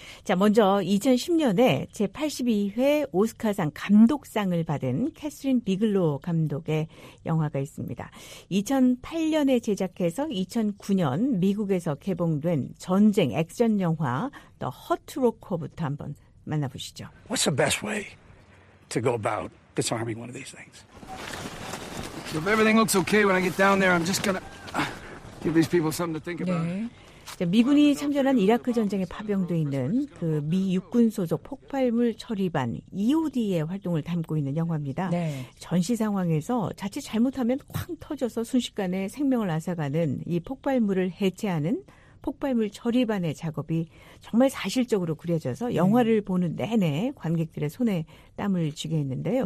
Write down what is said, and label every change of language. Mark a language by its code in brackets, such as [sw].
[ko] 자, 먼저 2010년에 제82회 오스카상 감독상을 받은 캐슬린 비글로 감독의 영화가 있습니다. 2008년에 제작해서 2009년 미국에서 개봉된 전쟁 액션 영화 더 허트 로커부터 한번 만나보시죠. [en] What's the best way to go about disarming one of these things? So if everything looks okay when I get down there, I'm just gonna give these people something to think about. [ko] 네. 자, 미군이 참전한 이라크 전쟁에 파병돼 있는 그 미 육군 소속 폭발물 처리반 EOD의 활동을 담고 있는 영화입니다. 네. 전시 상황에서 자칫 잘못하면 쾅 터져서 순식간에 생명을 앗아가는 이 폭발물을 해체하는 폭발물 처리반의 작업이 정말 사실적으로 그려져서 영화를 보는 내내 관객들의 손에 땀을 쥐게 했는데요.